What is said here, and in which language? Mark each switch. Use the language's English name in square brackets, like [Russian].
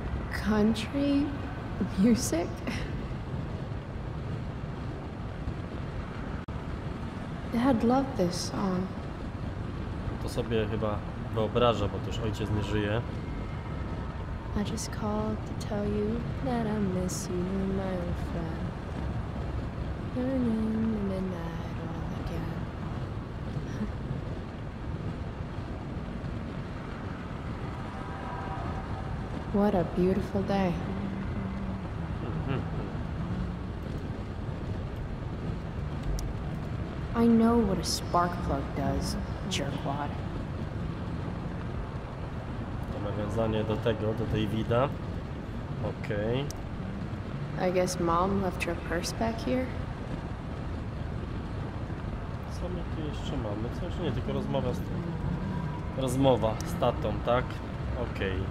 [English] Country music? Dad loved this song. [Polish] To sobie chyba wyobraża, bo też ojciec nie żyje. [English] I just called to tell you that I miss you, my old friend. Burning the midnight all again. What a beautiful day. I know what a spark plug does, jerkwad. [Polish] To nawiązanie do tego, do Davida. Okej. [English] I guess mom left her purse back here. [Polish] Co my tu jeszcze mamy? Co jeszcze? Nie, tylko rozmowa z tym. Rozmowa z tatą, tak? Okej.